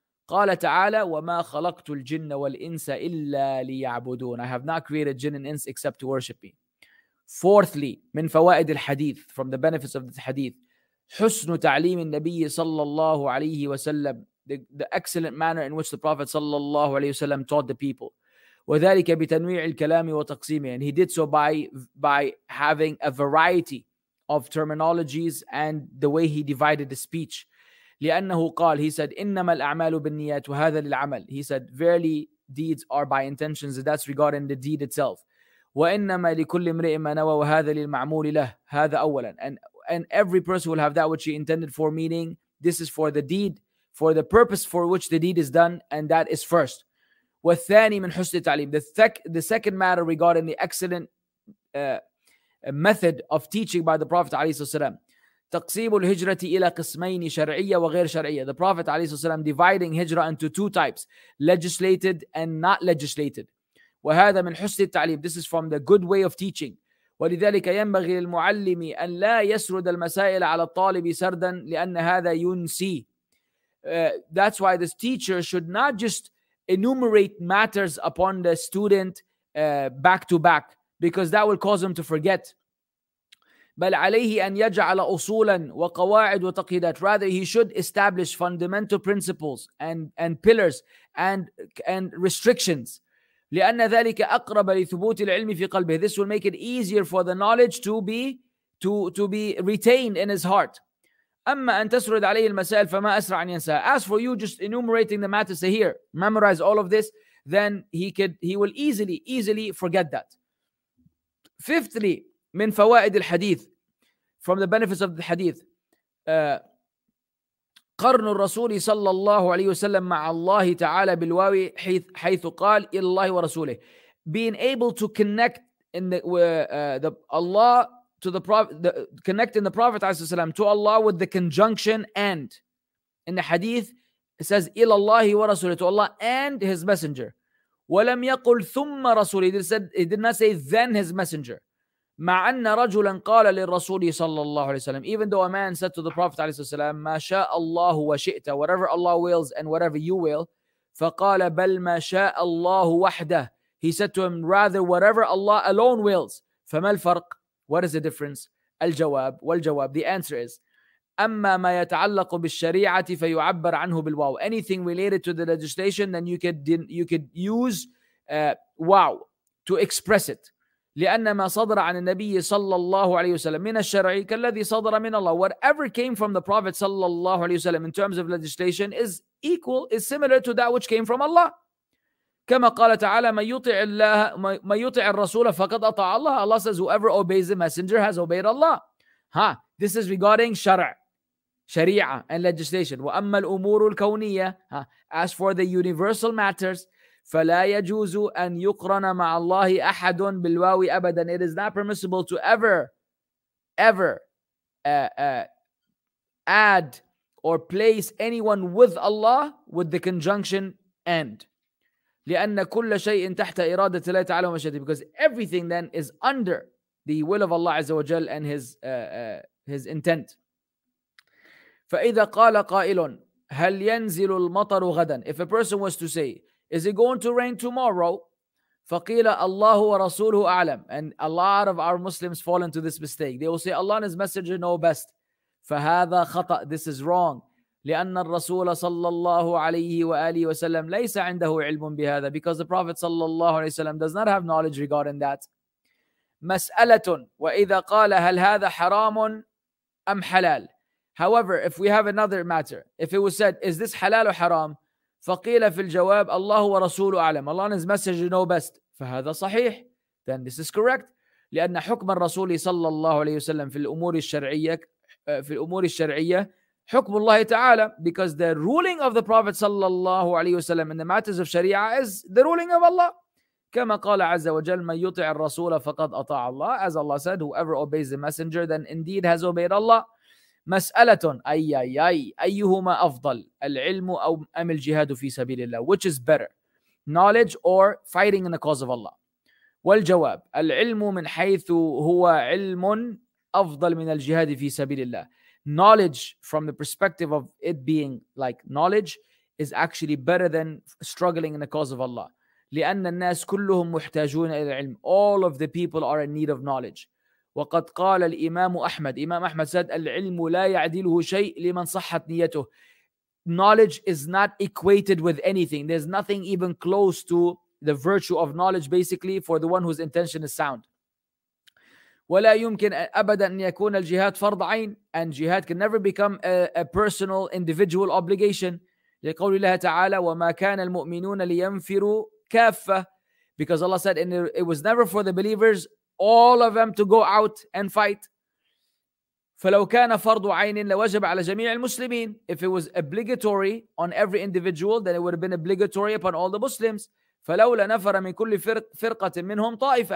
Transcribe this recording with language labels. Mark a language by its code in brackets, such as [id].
[ar] قال تعالى وما خلقت الجن والإنس إلا ليعبدون. [en] I have not created jinn and ins except to worship me. Fourthly, [ar] من فوائد الحديث, [en] from the benefits of this hadith, [ar] حسن تعليم النبي صلى الله عليه وسلم, [en] the excellent manner in which the Prophet [ar] صلى الله عليه وسلم [en] taught the people. [ar] وذلك بتنويع الكلام وتقسيمه. [en] And he did so by having a variety of terminologies and the way he divided the speech. [ar] لأنه قال, [en] he said, [ar] إنما الأعمال بالنيات وهذا للعمل. [en] He said, verily deeds are by intentions, and that's regarding the deed itself. [ar] وإنما لكل امرئ ما نوى وهذا للمعمول له. هذا أولا. [en] And every person will have that which he intended for, meaning this is for the deed, for the purpose for which the deed is done, and that is first. [ar] والثاني من حسن التعليم. [en] The second matter regarding the excellent method of teaching by the Prophet [ar] عليه الصلاة والسلام. تقسيم الهجرة إلى قسمين شرعية وغير شرعية. [en] The Prophet [ar] عليه الصلاة والسلام [en] dividing hijrah into two types, legislated and not legislated. [ar] وهذا من حسن التعليم. [en] This is from the good way of teaching. [ar] ولذلك ينبغي للمعلم أن لا يسرد المسائل على الطالب سردا لأن هذا ينسي. [en] That's why this teacher should not just enumerate matters upon the student back to back, because that will cause him to forget. [ar] بل عليه أن يجعل أصولا وقواعد وتقييدات. [en] Rather, he should establish fundamental principles and pillars and restrictions. [ar] لأن ذلك أقرب لثبوت العلم في قلبه. [en] This will make it easier for the knowledge to be retained in his heart. [ar] أما أن تسرد عليه المسائل فما أسرع أن ينساها. [en] As for you just enumerating the matters, say here, memorize all of this, then he will easily forget that. Fifthly, [ar] من فوائد الحديث, [en] from the benefits of the hadith, [ar] قرن الرسول صلى الله عليه وسلم مع الله تعالى بالواو حيث قال إلى الله ورسوله. [en] Being able to connect connecting the Prophet [ar] عليه الصلاة والسلام [en] to Allah with the conjunction and. In the hadith it says [ar] إلى الله ورسوله, [en] to Allah and his messenger. [ar] ولم يقل ثم رسوله, [en] he did not say then his messenger. [ar] مع أن رجلا قال للرسول صلى الله عليه وسلم, [en] even though a man said to the Prophet [ar] عليه الصلاة والسلام ما شاء الله وشئت, [en] whatever Allah wills and whatever you will. [ar] فقال بل ما شاء الله وحده, [en] he said to him rather whatever Allah alone wills. [ar] فما الفرق, [en] what is the difference? [ar] الجواب, والجواب, [en] the answer is [ar] أما ما يتعلق بالشريعة فيعبر عنه بالواو. [en] Anything related to the legislation, then you could use واو to express it. [ar] لأن ما صدر عن النبي صلى الله عليه وسلم من الشرع كالذي صدر من الله. [en] Whatever came from the Prophet [ar] صلى الله عليه وسلم [en] in terms of legislation is similar to that which came from Allah. [ar] كما قال تعالى من يطع الرسول فقد أطاع الله. [en] Allah says whoever obeys the messenger has obeyed Allah. This is regarding شرع, شريعة and legislation. [ar] وأما الأمور الكونية, [en] as for the universal matters, [ar] فلا يجوز أن يقرن مع الله أحد بالواو أبدا. [en] It is not permissible to ever add or place anyone with Allah with the conjunction and. [ar] لأن كل شيء تحت إرادة الله تعالى ومشيئته. [en] Because everything then is under the will of Allah [ar] عز وجل [en] and his intent. [ar] فإذا قال قائل هل ينزل المطر غدا. [en] If a person was to say, is it going to rain tomorrow? [ar] فقيل الله ورسوله أعلم. [en] And a lot of our Muslims fall into this mistake. They will say Allah and his messenger know best. [ar] فهذا خطأ. [en] This is wrong. [ar] لأن الرسول صلى الله عليه وآله وسلم ليس عنده علم بهذا. [en] Because the Prophet [ar] صلى الله عليه وسلم [en] does not have knowledge regarding that. [ar] مسألة. وإذا قال هل هذا حرام am halal. [en] However, if we have another matter, if it was said, is this halal or haram? [ar] فَقِيلَ فِي الْجَوَابِ اللَّهُ وَرَسُولُ أَعْلَمُ. [en] Allah and His Messenger know best. [ar] فَهَذَا صَحِيحٌ. [en] Then this is correct. [ar] لِأَنَّ حُكْمَ الرَّسُولِ صَلَّى اللَّهُ عَلَيْهِ وَسَلَّمَ فِي الْأُمُورِ الشَّرْعِيَّةِ فِي الْأُمُورِ الشَّرْعِيَّةِ حُكْمُ اللَّهِ تَعَالَى. [en] Because the ruling of the Prophet [ar] صلى الله عليه وسلم [en] in the matters of Sharia is the ruling of Allah. [ar] كَمَا قَالَ عَزَّ وَجَلَّ مَنْ يُطِعِ الرَّسُولَ فَقَدْ أَطَاعَ اللَّهَ. [en] As Allah said, whoever obeys the Messenger, then indeed has obeyed Allah. [ar] مسألة أي أي أي أيهما أفضل العلم أو أم الجهاد في سبيل الله. [en] Which is better, knowledge or fighting in the cause of Allah? [ar] والجواب العلم من حيث هو علم أفضل من الجهاد في سبيل الله. [en] Knowledge from the perspective of it being like knowledge is actually better than struggling in the cause of Allah. [ar] لأن الناس كلهم محتاجون إلى العلم. [en] All of the people are in need of knowledge. [ar] وقد قال الإمام أحمد. إمام أحمد [en] said [ar] العلم لا يعدله شيء لمن صحت نيته. [en] Knowledge is not equated with anything. There's nothing even close to the virtue of knowledge basically for the one whose intention is sound. [ar] ولا يمكن أبدا أن يكون الجهاد فرض عين. [en] And jihad can never become a personal individual obligation. [ar] لقول الله تعالى وما كان المؤمنون لينفروا كافة. [en] Because Allah said and it was never for the believers all of them to go out and fight. [ar] فَلَوْ كَانَ فَرْضُ عَيْنٍ لَوَجَبَ عَلَى جَمِيعِ الْمُسْلِمِينَ. [en] If it was obligatory on every individual, then it would have been obligatory upon all the Muslims. [ar] فَلَوْ لَنَفَرَ مِنْ كُلِّ فِرْقَةٍ مِّنْهُمْ طَائِفَةٍ.